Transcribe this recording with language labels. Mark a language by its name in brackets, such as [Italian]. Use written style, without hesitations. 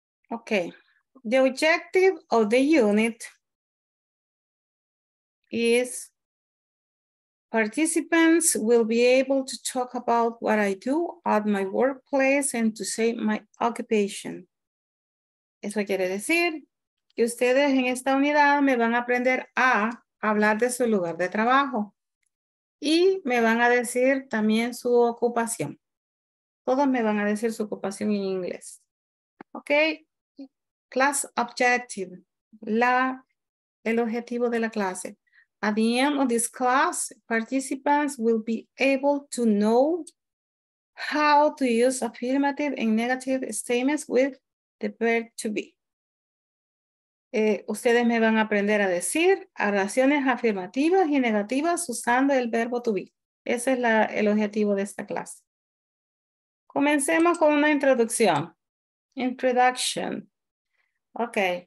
[English] Ok, the objective of the unit is participants will be able to talk about what I do at my workplace and to say my occupation. [Spanish] Eso quiere decir que ustedes en esta unidad me van a aprender a hablar de su lugar de trabajo y me van a decir también su ocupación. Todos me van a decir su ocupación en inglés. [English] Okay, class objective, [Spanish] el objetivo de la clase. [English] At the end of this class, participants will be able to know how to use affirmative and negative statements with the verb to be. [Spanish] Ustedes me van a aprender a decir oraciones afirmativas y negativas usando el verbo to be. Ese es el objetivo de esta clase. Comencemos con una introducción. [English] Introduction. Ok.